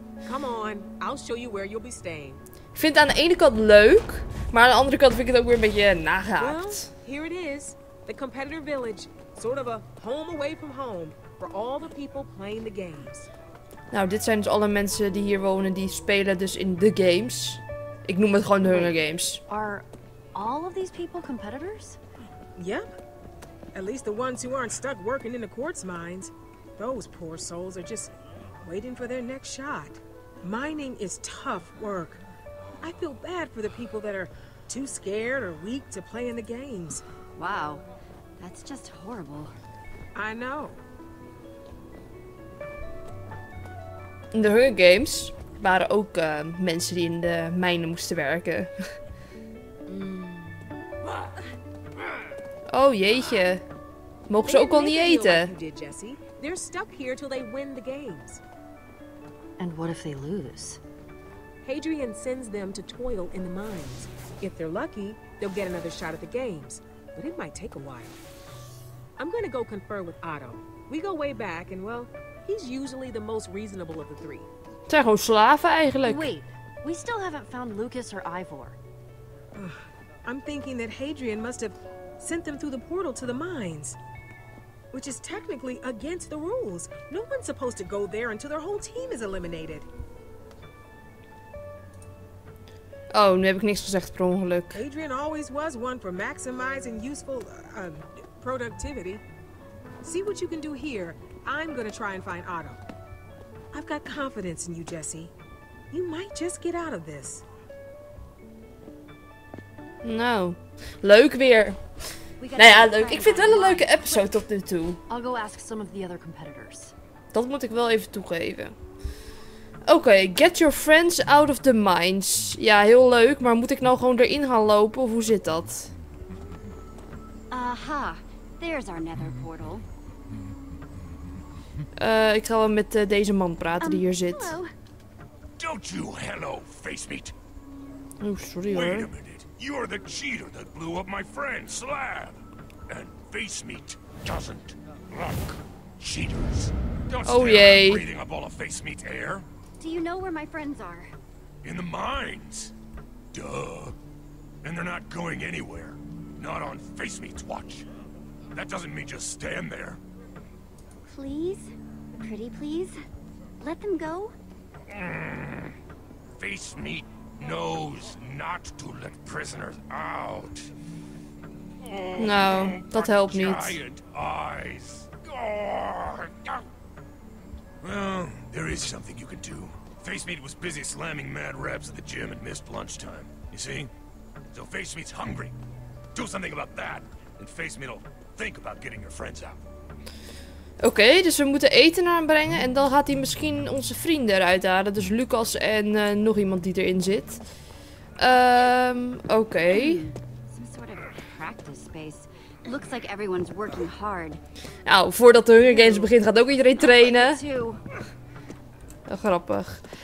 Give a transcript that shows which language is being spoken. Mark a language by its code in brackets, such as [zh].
[en] Come on, I'll show you where you'll be staying. [nl] Ik vind het aan de ene kant leuk, maar aan de andere kant vind ik het ook weer een beetje nagehaakt. [en] Here it is, the competitor village, sort of a home away from home for all the people playing the games. [nl] Nou, dit zijn dus alle mensen die hier wonen die spelen dus in de games. Ik noem het gewoon de Hunger Games. [en] Are all of these people competitors? Yep. At least the ones who aren't stuck working in the quartz mines. Those poor souls are just waiting for their next shot. Mining is tough work. I feel bad for the people that are too scared or weak to play in the games. Wow, that's just horrible. I know. [nl] In de Hunger Games waren ook mensen die in de mijnen moesten werken. Oh jeetje. Mogen ze ook al niet eten? [en] Did, Jesse. They're stuck here till they win the games. And what if they lose? Hadrian sends them to toil in the mines. If they're lucky, they'll get another shot at the games. But it might take a while. I'm gonna go confer with Otto. We go way back and, well, he's usually the most reasonable of the three. [nl] Zijn gewoon slaven eigenlijk. [en] Wait, we still haven't found Lucas or Ivor. I'm thinking that Hadrian must have sent them through the portal to the mines. Which is technically against the rules. No one's supposed to go there until their whole team is eliminated. [nl] Oh, nu heb ik niks gezegd per ongeluk. [en] Adrian always was one for maximizing useful productivity. See what you can do here. I'm gonna try and find Otto. I've got confidence in you, Jesse. You might just get out of this. [nl] Nou, leuk weer. Nou ja, leuk. Ik vind het wel een leuke episode tot nu toe. [en] I'll go ask some of the other competitors. [nl] Dat moet ik wel even toegeven. [en] Oké, okay, get your friends out of the mines. [nl] Ja, heel leuk, maar moet ik nou gewoon erin gaan lopen of hoe zit dat? [en] Aha, there's our nether portal. [nl] Ik ga wel met deze man praten die hier zit. [en] Don't you hello, facemeet. [nl] Oh, sorry hoor. [en] Wait a minute. You're the cheater that blew up my friend, Slab. And facemeet doesn't look cheaters. [nl] Oh jee. [en] Breathing up all of facemeet air. Do you know where my friends are? In the mines. Duh. And they're not going anywhere. Not on Facemeet's watch. That doesn't mean just stand there. Please? Pretty please? Let them go? Facemeet knows not to let prisoners out. No, that helps me. Giant eyes. Well, there is something you can do. Facemeet was busy slamming mad reps at the gym and missed lunchtime. You see? So Facemeet's hungry. Do something about that, and Facemeet will think about getting your friends out. [nl] Okay, dus we moeten eten naar hem brengen en dan gaat hij misschien onze vrienden eruit halen. Dus Lucas en nog iemand die erin zit. Okay. [en] Some sort of practice space. Looks like everyone's working hard. [nl] Nou, voordat de Hunger Games begint gaat ook iedereen trainen. Grappig.